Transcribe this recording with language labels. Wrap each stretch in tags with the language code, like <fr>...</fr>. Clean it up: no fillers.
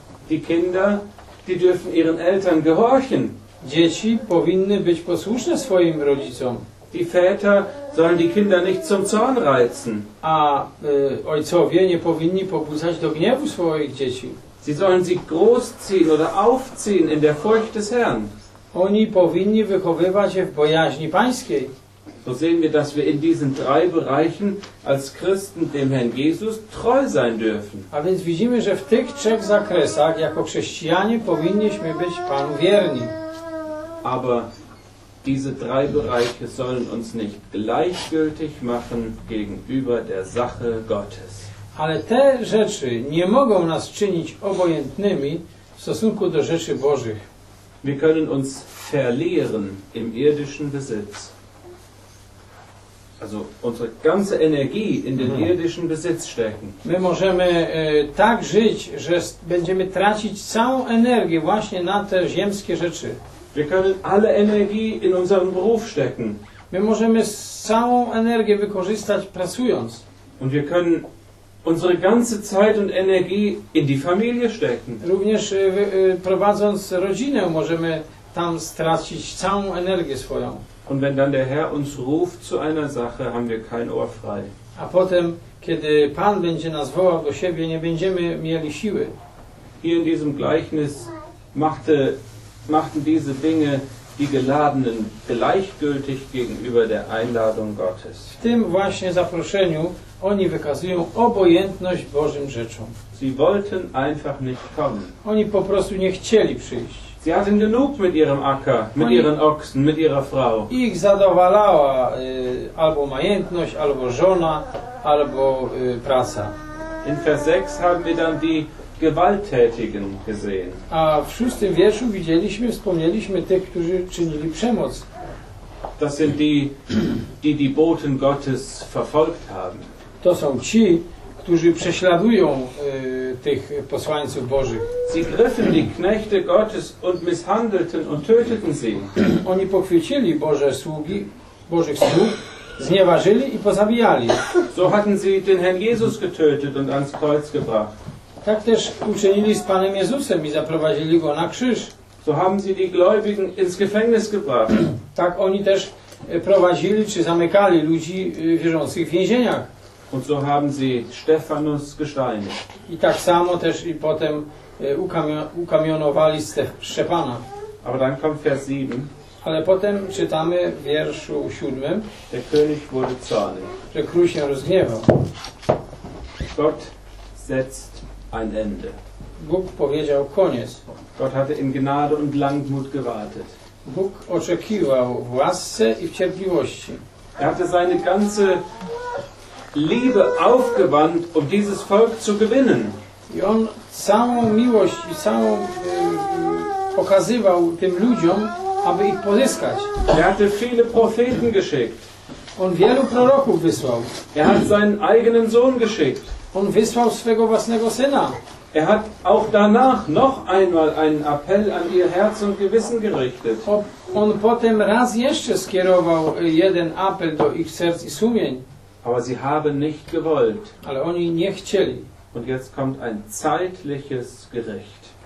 <de>Die Kinder, die dürfen ihren Eltern gehorchen.</de> <pl>Dzieci powinny być posłuszne swoim rodzicom.</pl> <de>Die Väter sollen die Kinder nicht zum Zorn reizen.</de> <pl>A ojcowie nie powinni pobudzać do gniewu swoich dzieci.</pl> <de>Sie sollen sie großziehen oder aufziehen in der Furcht des Herrn.</de> <pl>Oni powinni wychowywać je w bojaźni Pańskiej.</pl> <de>So sehen wir, dass wir in diesen drei Bereichen als Christen dem Herrn Jesus treu sein dürfen.</de> <pl>A więc widzimy, że w tych trzech zakresach jako chrześcijanie powinniśmy być Panu wierni.</pl> <de>Aber diese drei Bereiche sollen uns nicht gleichgültig machen gegenüber der Sache Gottes.</de> <pl>Ale te rzeczy nie mogą nas czynić obojętnymi w stosunku do rzeczy Bożych.</pl> <de>Wir können uns verlieren im irdischen Besitz. Also unsere ganze Energie in den irdischen Besitz stecken.</de> <pl>My możemy tak żyć, że będziemy tracić całą energię właśnie na te ziemskie rzeczy.</pl> <de>Wir können alle Energie in unseren Beruf stecken.</de> <pl>My możemy całą energię wykorzystać pracując.</pl> <de>Und wir können unsere ganze Zeit und Energie in die Familie stecken.</de> <pl>Również prowadząc rodzinę możemy tam stracić całą energię swoją.</pl> <de>Und wenn dann der Herr uns ruft zu einer Sache, haben wir kein Ohr frei.</de> <pl>A potem, kiedy Pan będzie nas wołał do siebie, nie będziemy mieli siły.</pl> <de>Hier in diesem Gleichnis machten diese Dinge die Geladenen gleichgültig gegenüber der Einladung Gottes.</de> <pl>W tym właśnie zaproszeniu oni wykazują obojętność Bożym rzeczom.</pl> <de>Sie wollten einfach nicht kommen.</de> <pl>Oni po prostu nie chcieli przyjść.</pl> <de>Sie hatten genug mit ihrem Acker, mit ihren Ochsen, mit ihrer Frau.</de> <pl>Ich zadowalała albo majętność, albo żona, albo praca.</pl> <de>In Vers 6 haben wir dann die Gewalttätigen gesehen.</de> <pl>A w szóstym wierszu widzieliśmy, wspomnieliśmy tych, którzy czynili przemoc.</pl> <de>Das sind die, die die Boten Gottes verfolgt haben.</de> <pl>To są ci, którzy prześladują tych posłańców Bożych.</pl> <de>Sie griffen die Knechte Gottes und misshandelten und töteten sie.</de> <pl>Oni pochwycili Boże sługi, Bożych sług, znieważyli i pozabijali.</pl> <de>So hatten sie den Herrn Jesus getötet und ans Kreuz gebracht.</de> <pl>Tak też uczynili z Panem Jezusem i zaprowadzili Go na krzyż.</pl> <de>So haben sie die Gläubigen ins Gefängnis gebracht.</de> <pl>Tak oni też prowadzili czy zamykali ludzi wierzących w więzieniach.</pl> <de>Und so haben sie Stephanus gesteinigt.</de> <pl>I tak samo też i potem ukamionowali Szczepana.</pl> <de>Aber dann kommt Vers 7.</de> <pl>Ale potem czytamy w wierszu 7.</pl> <de>Der König wurde zornig.</de> <pl>Że król się rozgniewał.</pl> <de>Gott setzt ein Ende.</de> <pl>Bóg powiedział koniec.</pl> <de>Gott hatte in Gnade und Langmut gewartet.</de> <pl>Bóg oczekiwał w łasce i w cierpliwości.</pl> <de>Er hatte seine ganze Liebe aufgewandt, um dieses Volk zu gewinnen.</de> <pl>I on całą miłość i całą pokazywał tym ludziom, aby ich pozyskać.</pl> <de>Er hatte viele Propheten geschickt.</de> <pl>On wielu proroków wysłał.</pl> <de>Er hat seinen eigenen Sohn geschickt.</de> <pl>On wysłał swego własnego syna.</pl> <de>Er hat auch danach noch einmal einen Appell an ihr Herz und Gewissen gerichtet.</de> <pl>On potem raz jeszcze skierował jeden apel do ich serc i sumień.</pl> <de>Aber sie haben nicht gewollt.</de> <pl>Ale oni nie chcieli.</pl> <de>Und jetzt kommt ein zeitliches Gericht.</de>